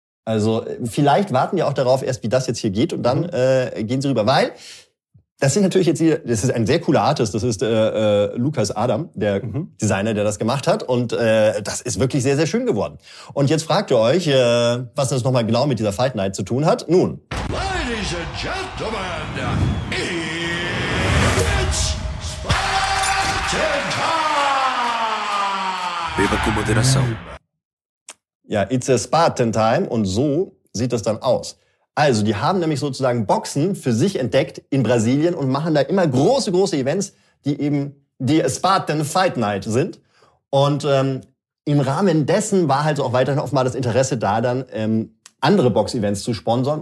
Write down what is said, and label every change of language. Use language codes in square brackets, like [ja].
[de] Also vielleicht warten wir auch darauf erst, wie das jetzt hier geht und dann gehen sie rüber. Weil das sind natürlich jetzt hier, das ist ein sehr cooler Artist, das ist Lukas Adam, der Designer, der das gemacht hat. Und das ist wirklich sehr, sehr schön geworden. Und jetzt fragt ihr euch, was das nochmal genau mit dieser Fight Night zu tun hat. Nun. [en] Ladies and Gentlemen, it's Spartan Time! [pt] Viva com moderação. [de] Ja, [en] it's a Spartan Time [de] und so sieht das dann aus. Also, die haben nämlich sozusagen Boxen für sich entdeckt in Brasilien und machen da immer große, große Events, die eben die Spartan Fight Night sind. Und im Rahmen dessen war halt auch weiterhin offenbar das Interesse da, dann andere Box-Events zu sponsern.